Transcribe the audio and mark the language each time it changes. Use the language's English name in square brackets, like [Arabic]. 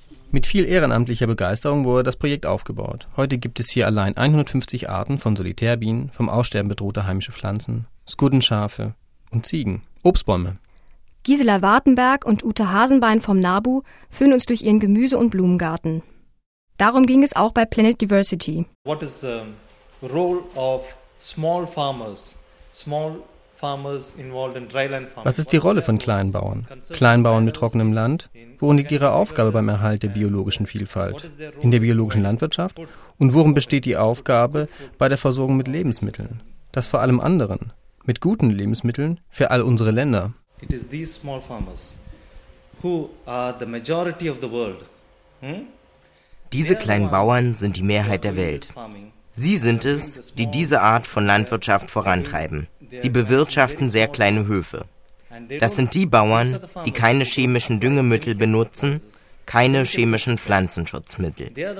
[German] Mit viel ehrenamtlicher Begeisterung wurde das Projekt aufgebaut. Heute gibt es hier allein 150 Arten von Solitärbienen, vom Aussterben bedrohte heimische Pflanzen, Skuddenschafe und Ziegen, Obstbäume. Gisela Wartenberg und Ute Hasenbein vom NABU führen uns durch ihren Gemüse- und Blumengarten. Darum ging es auch bei Planet Diversity. [English] What is the role of small farmers? Small farmers involved in dryland farming. [German] Was ist die Rolle von Kleinbauern? Kleinbauern mit trockenem Land? Wo liegt ihre Aufgabe beim Erhalt der biologischen Vielfalt? In der biologischen Landwirtschaft? Und worin besteht die Aufgabe bei der Versorgung mit Lebensmitteln? Das vor allem anderen. Mit guten Lebensmitteln für all unsere Länder. [English] It is these small farmers who are the majority of the world. [German] Diese kleinen Bauern sind die Mehrheit der Welt. Sie sind es, die diese Art von Landwirtschaft vorantreiben. Sie bewirtschaften sehr kleine Höfe. Das sind die Bauern, die keine chemischen Düngemittel benutzen, keine chemischen Pflanzenschutzmittel.